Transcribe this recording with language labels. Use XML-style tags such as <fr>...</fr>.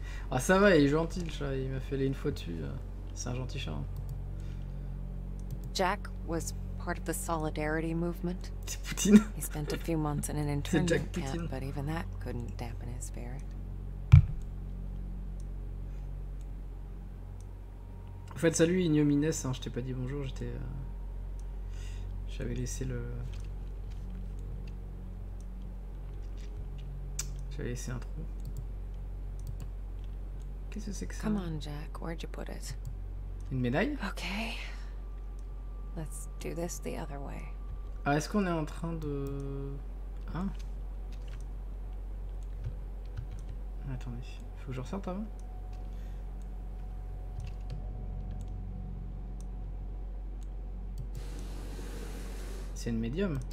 <fr>Ah, oh, ça va, il est gentil, le chat. Il m'a fait une fois dessus. C'est un gentil chat.</fr> <en>Jack was part of the solidarity movement.</en> <fr>C'est Poutine.</fr> <en>He spent a few months in an internment camp, but even that couldn't dampen his spirit.</en> <fr>En fait, salut Ignomines, hein. Je t'ai pas dit bonjour. J'étais, j'avais laissé un trou. Qu'est-ce que c'est que ça?</fr> <en>Come on, Jack. Where'd you put it?</en> <fr>Une médaille?</fr> <en>Okay. Let's do this the other way.</en> <fr>Ah, est-ce qu'on est en train de... Hein? Attendez. Faut que je ressorte avant. C'est une médium.</fr>